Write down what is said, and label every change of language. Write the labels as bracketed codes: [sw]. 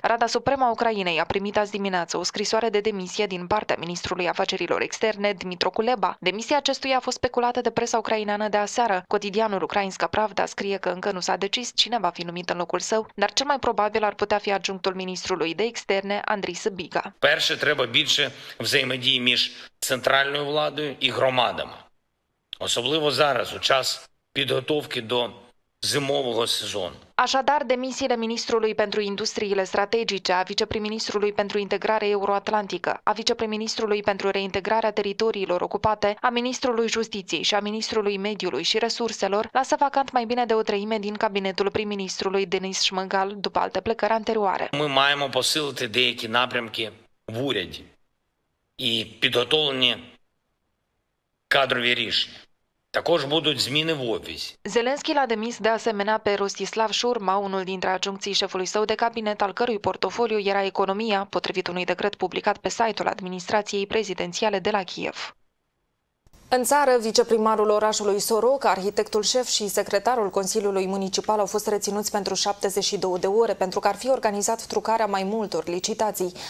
[ro] Rada Supremă a Ucrainei a primit azi dimineață o scrisoare de demisie din partea ministrului afacerilor externe, Dmitro Kuleba. Demisia acestuia a fost speculată de presa ucraineană de aseară. Cotidianul ucrainsca Pravda scrie că încă nu s-a decis cine va fi numit în locul său, dar cel mai probabil ar putea fi adjunctul ministrului externe Андрій Сибіга. [uk] Перше, треба більше взаємодії між центральною владою і громадами. Особливо зараз, у час підготовки до зимового сезону. [ro] Așadar, demisiile ministrului pentru industriile strategice, a viceprim-ministrului pentru integrare euroatlantică, a viceprim-ministrului pentru reintegrarea teritoriilor ocupate, a ministrului justiției și a ministrului mediului și resurselor lasă vacant mai bine de o treime din cabinetul prim-ministrului Denis Șmăgal după alte plecări anterioare. [uk] Ми маємо посилити деякі напрямки в уряді і підготовлені кадрові рішення. Також будуть зміни в офісі. [ro] Зеленський l-a demis de asemenea pe Rostislav Șurma, unul dintre adjuncții șefului său de cabinet, al cărui portofoliu era economia, potrivit unui decret publicat pe site-ul administrației prezidențiale de la Kiev. În țară, viceprimarul orașului Soroca, arhitectul șef și secretarul Consiliului Municipal au fost reținuți pentru 72 de ore pentru că ar fi organizat trucarea mai multor licitații.